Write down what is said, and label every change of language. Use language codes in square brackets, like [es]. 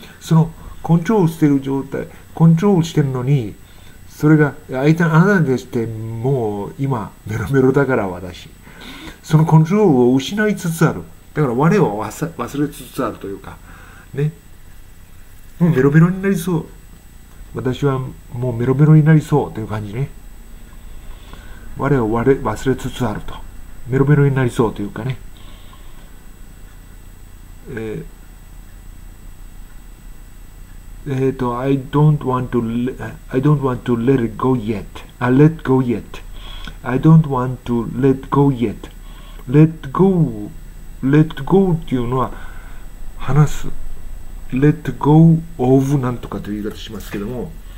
[ja] そのコントロールしてる状態、コントロールしてるのに、それが相手、あなたにしてもう今メロメロだから私、そのコントロールを失いつつある、だから我を忘れつつあるというかね、もうメロメロになりそう、私はもうメロメロになりそうという感じね。我を忘れつつあると。メロメロになりそうというかね。 [en] I don't want to let it go yet. Let go yet. I don't want to let go yet. [ja] Let go っていうのは離す。 Let go of なんとかという言い方しますけども。